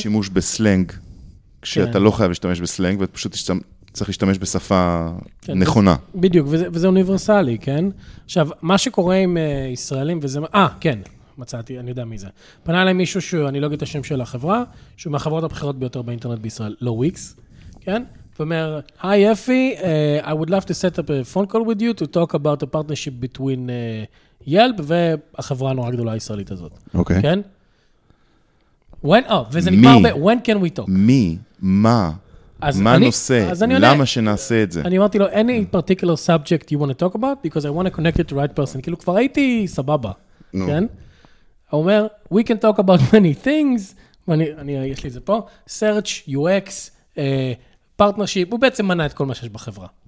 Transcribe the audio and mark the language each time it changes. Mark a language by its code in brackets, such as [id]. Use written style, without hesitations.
[he] ושימוש בסלנג, כשאתה לא חייב להשתמש בסלנג, ואת פשוט צריך להשתמש בשפה נכונה. בדיוק, וזה אוניברסלי, כן? עכשיו, מה שקורה עם ישראלים, וזה... כן, מצאתי, אני יודע מי זה. פנה אליי מישהו שאני לא אגיד את השם של החברה, שהוא מהחברות הבחירות ביותר באינטרנט בישראל, לא וויקס, כן? ואומר, היי אפי, [en] I would love to set up a phone call with you to talk about a partnership between Yelp [he] והחברה הנורא הגדולה הישראלית הזאת. אוקיי. כן? [en] When, [he] וזה נגמר הרבה, [en] when can we talk? [he] מי? מה? אז מה הנושא? למה שנעשה את זה? אני אמרתי לו, [en] any particular subject you want to talk about? Because I want to connect you to the right person. [he] כאילו, כבר הייתי סבבה. כן? הוא אומר, [en] we can talk about many things. [he] ואני, יש לי את זה פה. Search, UX, פרטנרשיפ, הוא בעצם מנה את כל מה שיש בחברה.